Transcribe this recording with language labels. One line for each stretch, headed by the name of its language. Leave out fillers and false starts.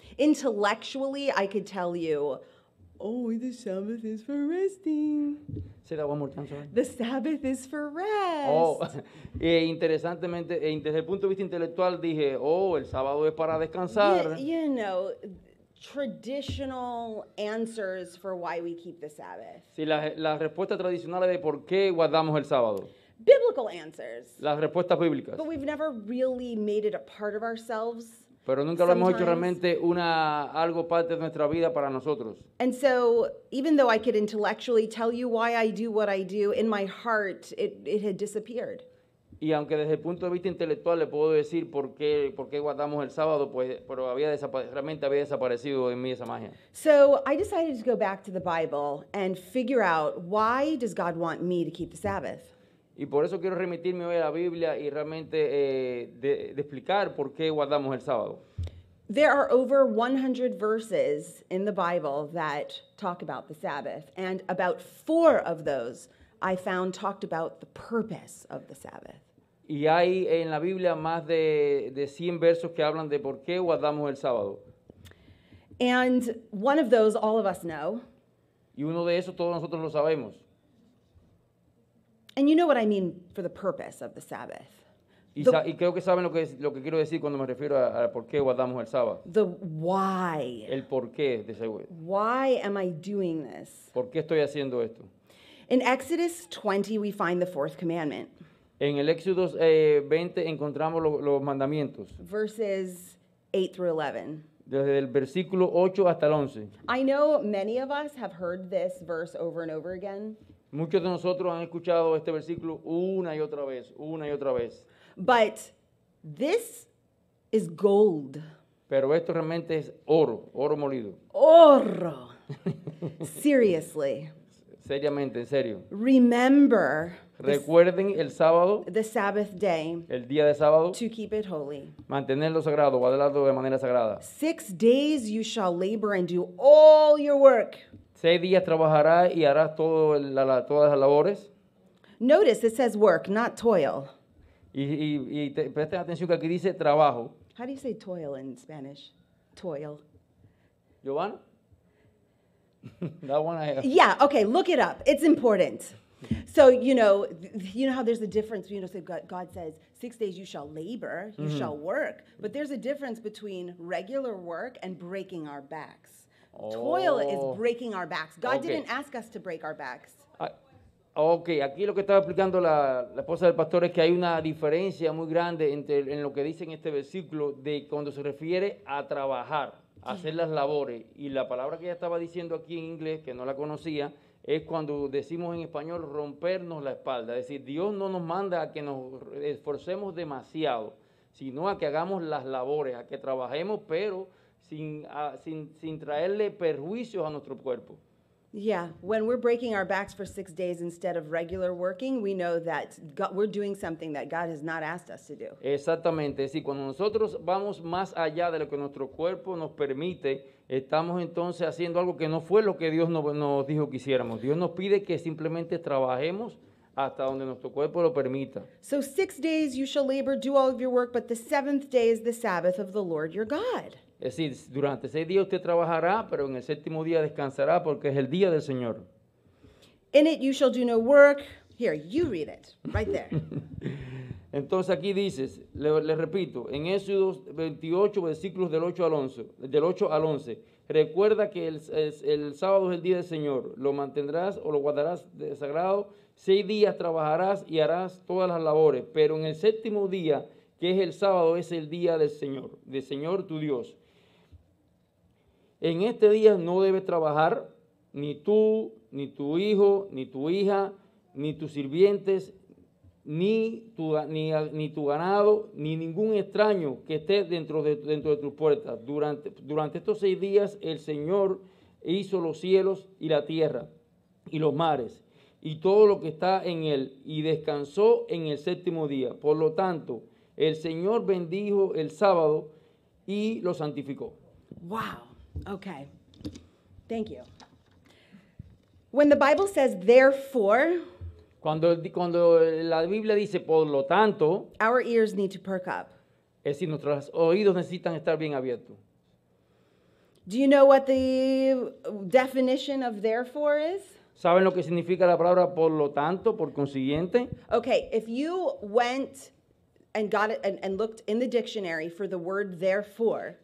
English: Intellectually, I could tell you Oh, the Sabbath is for resting. Say that one more time, sorry. The Sabbath is for rest.
Spanish: Oh, interesantemente, desde el punto de vista intelectual, dije, oh, el sábado es para descansar.
English: You know, traditional answers for why we keep the Sabbath.
Spanish: Sí, la respuesta tradicional de por qué guardamos el sábado.
English: Biblical answers.
Spanish: Las respuestas bíblicas.
English: But we've never really made it a part of ourselves.
Spanish: Pero nunca lo hemos hecho realmente una algo parte de nuestra vida para nosotros.
English: And so, even though I could intellectually tell you why I do what I do, in my heart, it had disappeared.
Spanish: Y aunque desde el punto de vista intelectual le puedo decir por qué guardamos el sábado, pues, pero realmente había desaparecido en mí esa magia.
English: So, I decided to go back to the Bible and figure out why does God want me to keep the Sabbath.
Spanish: Y por eso quiero remitirme hoy a la Biblia y realmente de explicar por qué guardamos el sábado.
English: There are over 100 verses in the Bible that talk about the Sabbath, and about 4 of those I found talked about the purpose of the Sabbath.
Spanish: Y hay en la Biblia más de 100 versos que hablan de por qué guardamos el sábado.
English: And one of those all of us know.
Spanish: Y uno de esos todos nosotros lo sabemos.
English: And you know what I mean for the purpose of the Sabbath.
Spanish: Y creo que saben lo que quiero decir cuando me refiero a por qué guardamos el sábado.
English: The why.
Spanish: El por qué de ese.
English: Why am I doing this?
Spanish: ¿Por qué estoy haciendo esto?
English: In Exodus 20, we find the fourth commandment.
Spanish: En el Éxodo 20 encontramos los mandamientos.
English: Verses 8 through 11.
Spanish: Desde el versículo 8 hasta el 11.
English: I know many of us have heard this verse over and over again.
Spanish: Muchos de nosotros han escuchado este versículo una y otra vez, una y otra vez.
English: But this is gold.
Spanish: Pero esto realmente es oro, oro molido.
English: Oro. Seriously.
Spanish: Seriamente, en serio.
English: Remember.
Spanish: Recuerden el sábado.
English: The Sabbath day.
Spanish: El día de sábado.
English: To keep it holy.
Spanish: Mantenerlo sagrado, guardarlo de manera sagrada.
English: 6 days you shall labor and do all your work.
Spanish: 6 días trabajará y hará todas las labores.
English: Notice it says work, not toil.
Spanish: Y presten atención que aquí dice trabajo.
English: How do you say toil in Spanish? Toil. Giovanna? That one I have. Yeah, okay, look it up. It's important. So, you know how there's a difference, you know, so God says, 6 days you shall labor, you mm-hmm. shall work. But there's a difference between regular work and breaking our backs. Oh. Toil is breaking our backs. God okay. didn't ask us to break our backs.
Spanish: Okay, aquí lo que estaba explicando la esposa del pastor es que hay una diferencia muy grande en lo que dice en este versículo de cuando se refiere a trabajar, a hacer las labores. Y la palabra que ella estaba diciendo aquí en inglés, que no la conocía, es cuando decimos en español rompernos la espalda. Es decir, Dios no nos manda a que nos esforcemos demasiado, sino a que hagamos las labores, a que trabajemos, pero sin traerle perjuicios a nuestro cuerpo.
English: Yeah, when we're breaking our backs for 6 days instead of regular working, we know that God, we're doing something that God has not asked us to do.
Spanish: Exactamente, sí, cuando nosotros vamos más allá de lo que nuestro cuerpo nos permite, estamos entonces haciendo algo que no fue lo que Dios nos dijo que hiciéramos. Dios nos pide que simplemente trabajemos hasta donde nuestro cuerpo lo permita.
English: So 6 days you shall labor, do all of your work, but the seventh day is the Sabbath of the Lord your God.
Spanish: Es decir, durante 6 días usted trabajará, pero en el séptimo día descansará porque es el día del Señor.
English: In it you shall do no work. Here, you read it, right there.
Spanish: Entonces aquí dices, le repito, en Éxodo 28, versículos del 8 al 11, recuerda que el sábado es el día del Señor, lo mantendrás o lo guardarás de sagrado, 6 días trabajarás y harás todas las labores, pero en el séptimo día, que es el sábado, es el día del Señor tu Dios. En este día no debes trabajar ni tú, ni tu hijo, ni tu hija, ni tus sirvientes, ni tu ganado, ni ningún extraño que esté dentro de tus puertas. Durante estos 6 días el Señor hizo los cielos y la tierra y los mares y todo lo que está en él y descansó en el séptimo día. Por lo tanto, el Señor bendijo el sábado y lo santificó.
English: ¡Wow! Okay, thank you. When the Bible says therefore,
Spanish: cuando la Biblia dice por lo tanto,
English: our ears need to perk up.
Spanish: Es decir, nuestros oídos necesitan estar bien abiertos.
English: Do you know what the definition of therefore is?
Spanish: ¿Saben lo que significa la palabra por lo tanto, por consiguiente?
English: Okay, if you went and got it and looked in the dictionary for the word therefore.